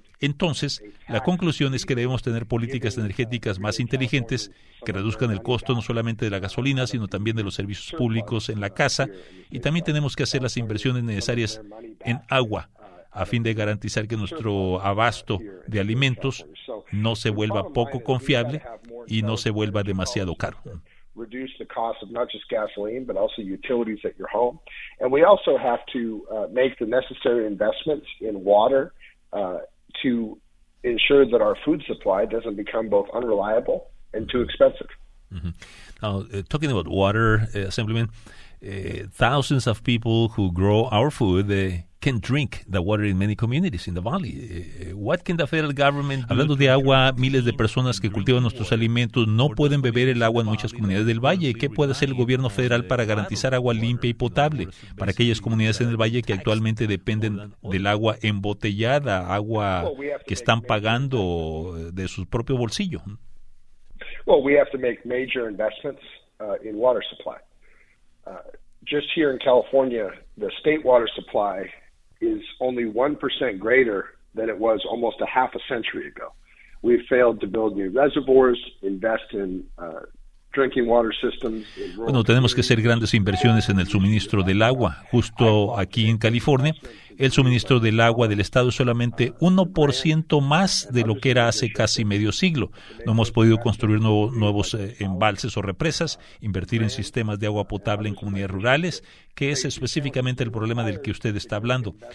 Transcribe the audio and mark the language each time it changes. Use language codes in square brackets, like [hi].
[es] Entonces, la conclusión es que debemos tener políticas energéticas más inteligentes que reduzcan el costo no solamente de la gasolina, sino también de los servicios públicos en la casa, y también tenemos que hacer las inversiones necesarias en agua, a fin de garantizar que nuestro abasto de alimentos no se vuelva poco confiable y no se vuelva demasiado caro. [en] Reduce the cost of not just gasoline, but also utilities at your home. And we also have to make the necessary investments in water to ensure that our food supply doesn't become both unreliable and too expensive. Mm-hmm. Now, talking about water, Assemblyman, thousands of people who grow our food, they can drink the water in many communities in the valley. What can the federal government do? [es] Hablando de agua, miles de personas que cultivan nuestros alimentos no pueden beber el agua en muchas comunidades del valle. ¿Qué puede hacer el gobierno federal para garantizar agua limpia y potable para aquellas comunidades en el valle que actualmente dependen del agua embotellada, agua que están pagando de su propio bolsillo? [en] Well, we have to make major investments in water supply. Just here in California, the state water supply is only 1% greater than it was almost a half a century ago. We've failed to build new reservoirs, invest in drinking water systems. [es] Bueno, tenemos que hacer grandes inversiones en el suministro del agua. Justo aquí en California, el suministro del agua del estado es solamente 1% más de lo que era hace casi medio siglo. No hemos podido construir nuevos embalses o represas, invertir en sistemas de agua potable en comunidades rurales, que es específicamente el problema del que usted está hablando.